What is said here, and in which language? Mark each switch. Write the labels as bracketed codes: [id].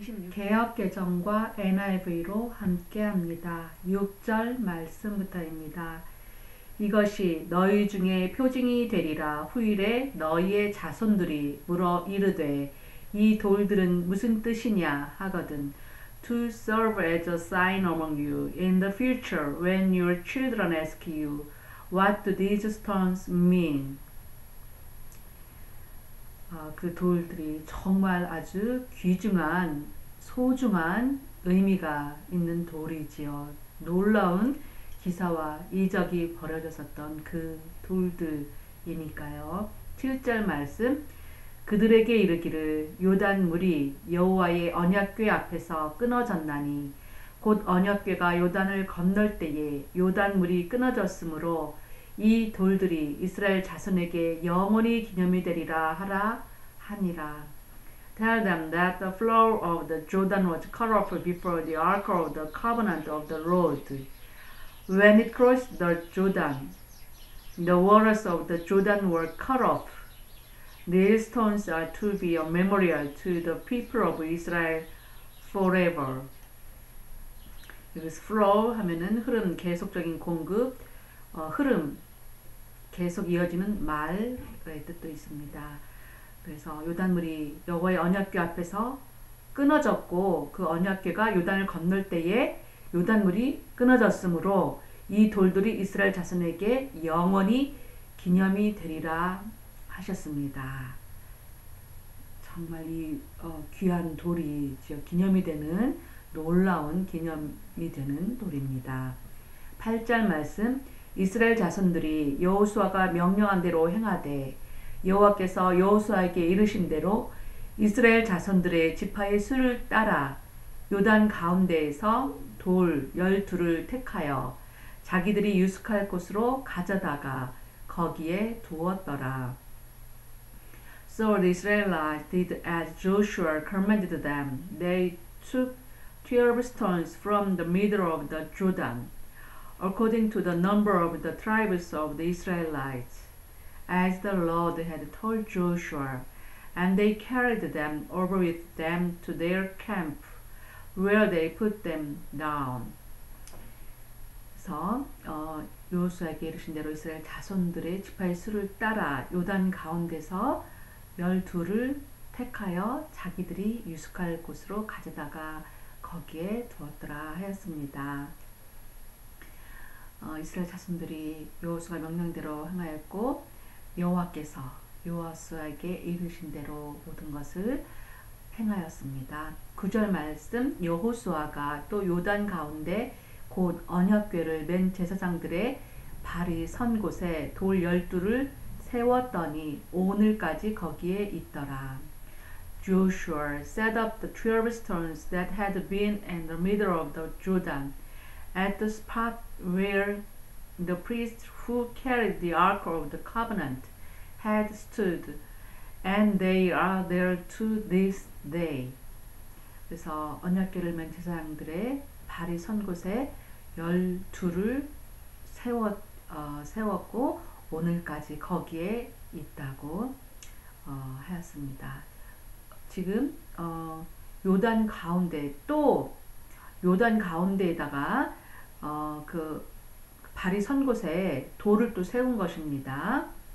[ko] 개혁개정과 NIV로 함께합니다. 6절 말씀부터입니다. 이것이 너희 중에 표징이 되리라. 후일에 너희의 자손들이 물어 이르되 이 돌들은 무슨 뜻이냐 하거든. [en] To serve as a sign among you in the future when your children ask you, what do these stones mean? [ko] 그 돌들이 정말 아주 귀중한, 소중한 의미가 있는 돌이지요. 놀라운 기사와 이적이 벌어졌었던 그 돌들이니까요. 7절 말씀, 그들에게 이르기를 요단 물이 여호와의 언약궤 앞에서 끊어졌나니 곧 언약궤가 요단을 건널 때에 요단 물이 끊어졌으므로 이 돌들이 이스라엘 자손에게 영원히 기념이 되리라 하라 하니라. [en] Tell them that the flow of the Jordan was cut off before the Ark of the Covenant of the Lord. When it crossed the Jordan, the waters of the Jordan were cut off. These stones are to be a memorial to the people of Israel forever. [ko] 여기서 flow 하면은 흐름, 계속적인 공급, 흐름, 계속 이어지는 말의 뜻도 있습니다. 그래서 요단물이 여호와의 언약궤 앞에서 끊어졌고 그 언약궤가 요단을 건널 때에 요단물이 끊어졌으므로 이 돌들이 이스라엘 자손에게 영원히 기념이 되리라 하셨습니다. 정말 이 귀한 돌이 기념이 되는 놀라운 기념이 되는 돌입니다. 8절 말씀, 이스라엘 자손들이 여호수아가 명령한 대로 행하되 여호와께서 여호수아에게 이르신 대로 이스라엘 자손들의 지파의 수를 따라 요단 가운데에서 돌 열두를 택하여 자기들이 유숙할 곳으로 가져다가 거기에 두었더라. [en] So the Israelites did as Joshua commanded them. They took 12 stones from the middle of the Jordan, according to the number of the tribes of the Israelites, as the Lord had told Joshua, and they carried them over with them to their camp, where they put them down. [ko] 그래서 여호수아에게 이르신 대로 이스라엘 자손들의 지파의 수를 따라 요단 가운데서 열두를 택하여 자기들이 유숙할 곳으로 가져다가 거기에 두었더라 하였습니다. 이스라엘 자손들이 여호수아 명령대로 행하였고 여호와께서 여호수아에게 이르신 대로 모든 것을 행하였습니다. 9절 말씀, 여호수아가 또 요단 가운데 곧 언약궤를 맨 제사장들의 발이 선 곳에 돌 열두를 세웠더니 오늘까지 거기에 있더라. [en] Joshua set up the 12 stones that had been in the middle of the Jordan at the spot where the priest who carried the Ark of the Covenant had stood, and they are there to this day. [ko] 그래서 언약궤를 맨 제사장들의 발이 선 곳에 열두를 세웠고 오늘까지 거기에 있다고 하였습니다. 지금 요단 가운데 또 요단 가운데에다가 그 발이 선 곳에 돌을 또 세운 것입니다.